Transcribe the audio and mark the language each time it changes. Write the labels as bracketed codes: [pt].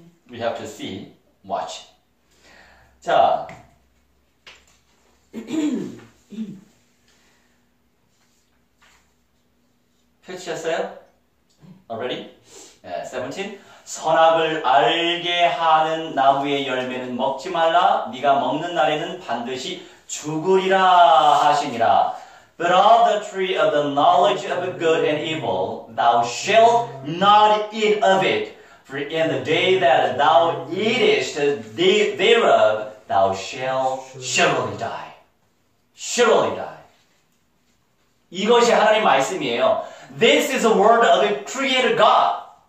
[en] We have to see, watch. [ko] 자, 펼치셨어요? [en] Already? Yeah, 17. [ko] 선악을 알게 하는 나무의 열매는 먹지 말라. 네가 먹는 날에는 반드시 죽으리라 하시니라. [en] But of the tree of the knowledge of good and evil, thou shalt not eat of it. For in the day that thou eatest thereof, thou shalt surely die. Surely die. [ko] 이것이 하나님 말씀이에요. [en] This is the word of the Creator God.